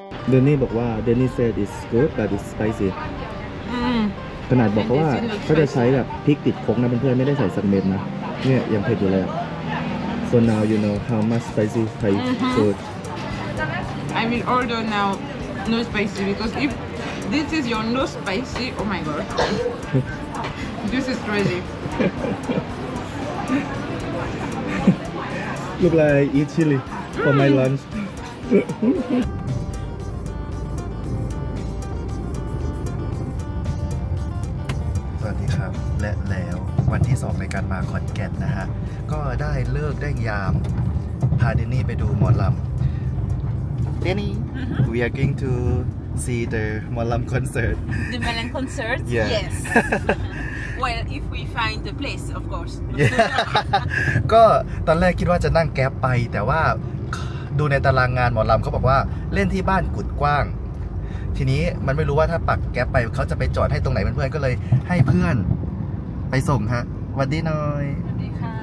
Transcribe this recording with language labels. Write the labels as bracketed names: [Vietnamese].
[Thai] เดนนี่บอกว่าเดนนี่ [English] said it's good but it's spicy [Thai] ขนาดบอกว่าเขาจะใช้แบบพริกติดผงนะเพื่อนๆไม่ได้ใส่สักเม็ดนะเนี่ยยังเผ็ดอยู่เลย [English] so now you know how much spicy Thai food I will order now no spicy because if this is your no spicy oh my god This is crazy. Look like I eat chili for my lunch. [Thai] สวัสดีครับและแล้ววันที่2ในการมาขอนแก่นนะฮะก็ได้เลิกได้ยามพาเดนนี่ไปดูหมอลำเดนนี่ [English] we are going to see the หมอลำ concert the Melon concert yeah. yes Well, if we find the place, of course. [Thai] ก็ตอนแรกคิดว่าจะนั่งแก๊ปไปแต่ว่าดูในตารางงานหมอลำเขาบอกว่าเล่นที่บ้านกุดกว้างทีนี้มันไม่รู้ว่าถ้าปักแก๊ปไปเขาจะไปจอดให้ตรงไหนเพื่อนๆก็เลยให้เพื่อนไปส่งฮะวันดีน้อย สวัสดีค่ะ